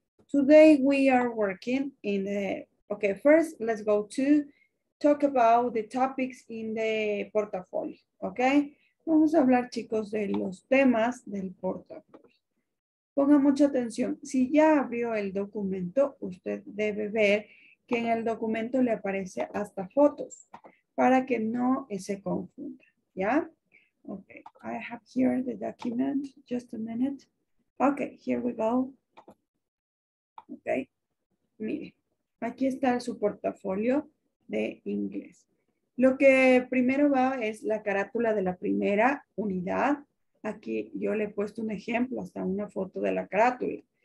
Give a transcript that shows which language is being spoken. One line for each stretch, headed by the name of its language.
English: Today we are working in the, okay, first let's go to talk about the topics in the portafolio, okay?
Spanish: Vamos a hablar, chicos, de los temas del portafolio. Ponga mucha atención. Si ya abrió el documento, usted debe ver que en el documento le aparece hasta fotos para que no se confunda.
English: Yeah, okay, I have here the document, just a minute. Okay, here we go.
Spanish: Okay, mire, aquí está su portafolio de inglés. Lo que primero va es la carátula de la primera unidad. Aquí yo le he puesto un ejemplo, hasta una foto de la carátula.